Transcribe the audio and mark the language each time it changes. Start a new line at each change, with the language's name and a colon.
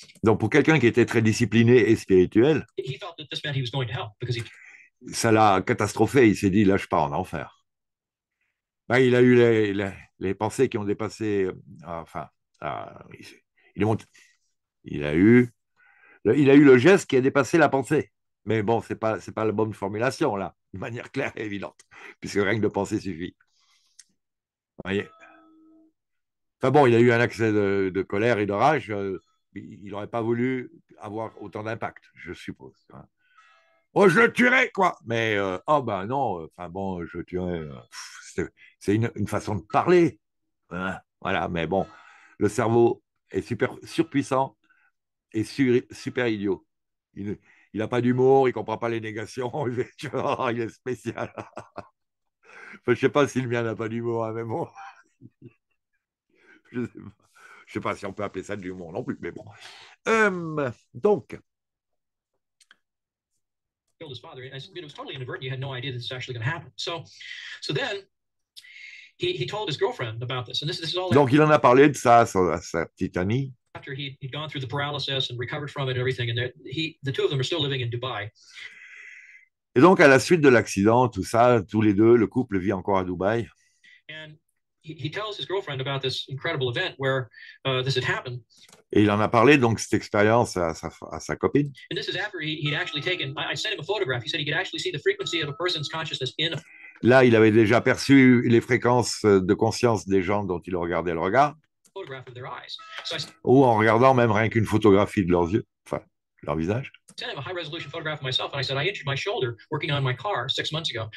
French: Donc, pour quelqu'un qui était très discipliné et spirituel,
English: he felt that this meant he was going to hell, because he.
French: Ça l'a catastrophé. Il s'est dit, là, je pars en enfer. Ben, il a eu les pensées qui ont dépassé. Enfin, il est monté. Il a eu Il a eu le geste qui a dépassé la pensée. Mais bon, c'est pas la bonne formulation, là, de manière claire et évidente, puisque rien que de penser suffit. Vous voyez? Enfin bon, il a eu un accès de colère et de rage. Il n'aurait pas voulu avoir autant d'impact, je suppose. Hein. Oh, je le tuerai, quoi! Mais, oh ben non, enfin bon, je le tuerai. C'est une façon de parler. Hein. Voilà, mais bon, le cerveau est super surpuissant et super idiot. Il n'a pas d'humour, il ne comprend pas les négations. Il est spécial. Enfin, je ne sais pas si le mien n'a pas d'humour, hein, mais bon. Je ne sais pas si on peut appeler ça de l'humour non plus, mais bon. Donc.
English: His father, and I mean, it was totally inadvertent. You had no idea this is actually going to happen. So then he told his girlfriend about this, and this is all.
French: Donc il en a parlé de ça à sa petite amie.
English: After he'd gone through the paralysis and recovered from it, and everything, and the two of them are still living in Dubai.
French: Et donc à la suite de l'accident, tout ça, tous les deux, le couple vit encore à Dubaï.
English: And he tells his girlfriend about this incredible event where this had happened.
French: Et il en a parlé, donc, cette expérience à sa copine.
English: And this is after he'd actually taken, I sent him a photograph. He said he could actually see the frequency of a person's consciousness in a...
French: Là, il avait déjà perçu les fréquences de conscience des gens dont il regardait le regard.
English: Photograph of their eyes.
French: Ou en regardant même rien qu'une photographie de leurs yeux, enfin, leur visage.
English: I sent him a high-resolution photograph of myself, and I said, I injured my shoulder working on my car 6 months ago.